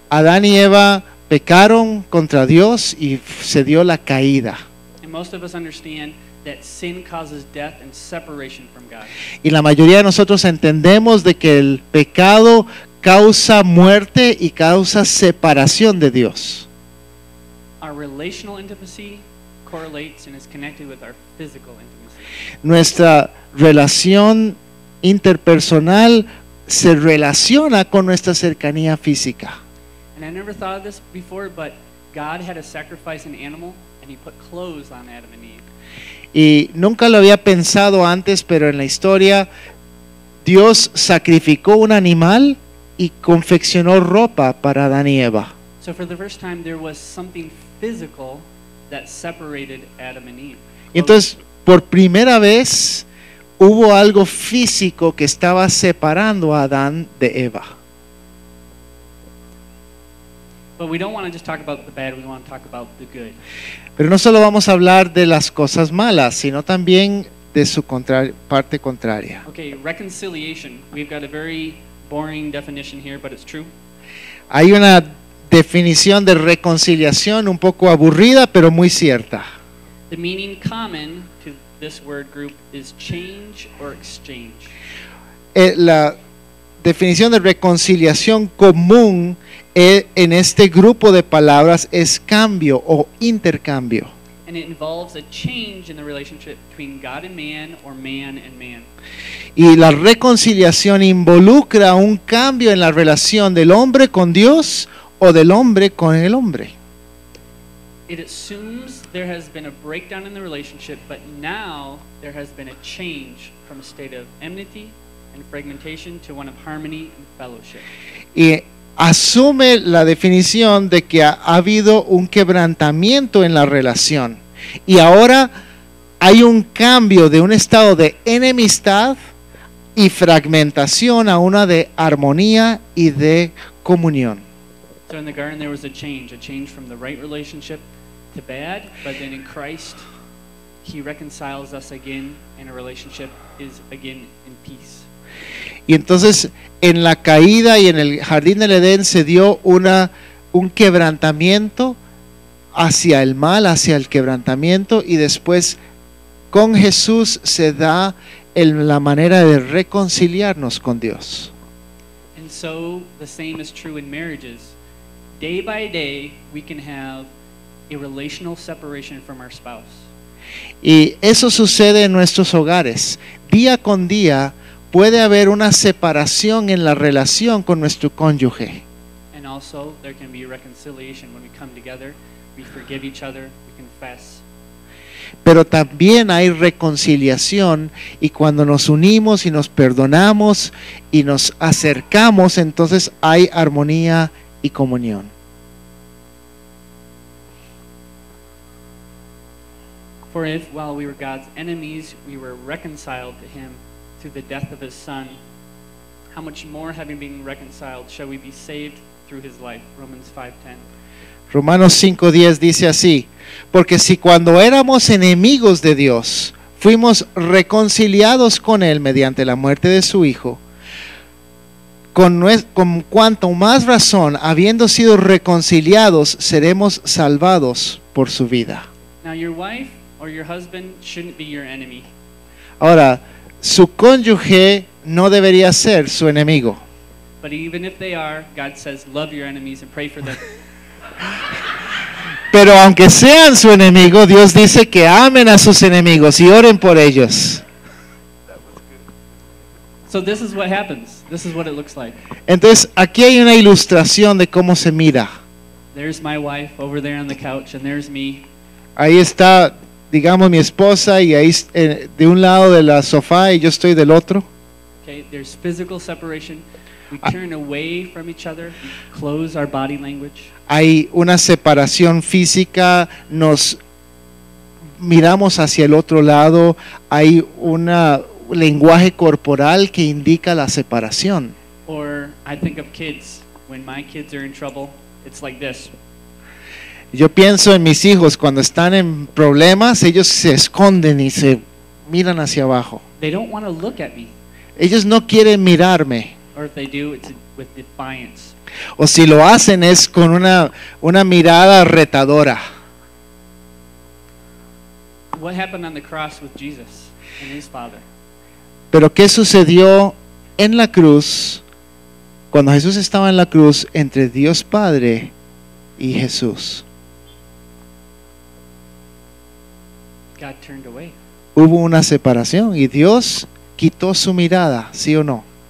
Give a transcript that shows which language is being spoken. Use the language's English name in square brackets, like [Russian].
[Spanish] Adán y Eva pecaron contra Dios y se dio la caída. [English] And most of us understand that sin causes death and separation from God. [Spanish] Y la mayoría de nosotros entendemos de que el pecado causa muerte y causa separación de Dios. [English] Our relational intimacy correlates and is connected with our physical intimacy. [Spanish] Nuestra relación interpersonal se relaciona con nuestra cercanía física. [English] And I never thought of this before, but God had to sacrifice an animal and he put clothes on Adam and Eve. [Spanish] Y nunca lo había pensado antes, pero en la historia Dios sacrificó un animal y confeccionó ropa para Adán y Eva. [English] So for the first time there was something physical that separated Adam and Eve. [Spanish] Y entonces por primera vez hubo algo físico que estaba separando a Adán de Eva. [English] But we don't want to just talk about the bad, we want to talk about the good. [Spanish] Pero no solo vamos a hablar de las cosas malas, sino también de su parte contraria. [English] Okay, reconciliation. We've got a very boring definition here, but it's true. [Spanish] Hay una definición de reconciliación un poco aburrida, pero muy cierta. [English] The meaning common to this word group is change or exchange. [Spanish] La definición de reconciliación común en este grupo de palabras es cambio o intercambio. [English] And it involves a change in the relationship between God and man or man and man. [Spanish] Y la reconciliación involucra un cambio en la relación del hombre con Dios o del hombre con el hombre. [English] It assumes there has been a breakdown in the relationship, but now there has been a change from a state of enmity and fragmentation to one of harmony and fellowship. [Spanish] Y asume la definición de que ha habido un quebrantamiento en la relación y ahora hay un cambio de un estado de enemistad y fragmentación a una de armonía y de comunión. [English] So in the garden there was a change from the right relationship to bad, but then in Christ he reconciles us again and a relationship is again in peace. [Spanish] Y entonces en la caída y en el jardín del Edén se dio un quebrantamiento hacia el mal, hacia el quebrantamiento, y después con Jesús se da la manera de reconciliarnos con Dios. [English] And so the same is true in marriages. Day by day we can have a relational separation from our spouse. [Spanish] Y eso sucede en nuestros hogares. Día con día puede haber una separación en la relación con nuestro cónyuge. [English] And also there can be reconciliation when we come together, we forgive each other, we confess. [Spanish] Pero también hay reconciliación y cuando nos unimos y nos perdonamos y nos acercamos, entonces hay armonía y comunión. [English] For if while we were God's enemies, we were reconciled to him through the death of his son, how much more having been reconciled shall we be saved through his life? Romans 5:10. [Spanish] Romanos 5:10 dice así: porque si cuando éramos enemigos de Dios fuimos reconciliados con él mediante la muerte de su hijo, con cuanto más razón, habiendo sido reconciliados, seremos salvados por su vida. [English] Now your wife or your husband shouldn't be your enemy. [Spanish] Ahora su cónyuge no debería ser su enemigo. [English] But even if they are, God says love your enemies and pray for them. [Spanish] Pero aunque sean su enemigo, Dios dice que amen a sus enemigos y oren por ellos. [English] So this is what happens. This is what it looks like. [Spanish] Entonces, aquí hay una ilustración de cómo se mira. [English] There's my wife over there on the couch and there's me. [Spanish] Ahí está digamos, mi esposa y ahí de un lado del sofá y yo estoy del otro. [English] Okay, there's physical separation. We turn away from each other. We close our body language. [Spanish] Hay una separación física, nos miramos hacia el otro lado, hay un lenguaje corporal que indica la separación. [English] Or I think of kids. When my kids are in trouble, it's like this. [Spanish] Yo pienso en mis hijos cuando están en problemas, ellos se esconden y se miran hacia abajo. [English] They don't want to look at me. [Spanish] Ellos no quieren mirarme. [English] Or if they do, it's with defiance. [Spanish] O si lo hacen es con una mirada retadora. [English] What happened on the cross with Jesus and his father? [Spanish] Pero ¿qué sucedió en la cruz cuando Jesús estaba en la cruz entre Dios Padre y Jesús? [English] God turned away. [Spanish] Hubo una separación y Dios quitó su mirada, ¿sí o no?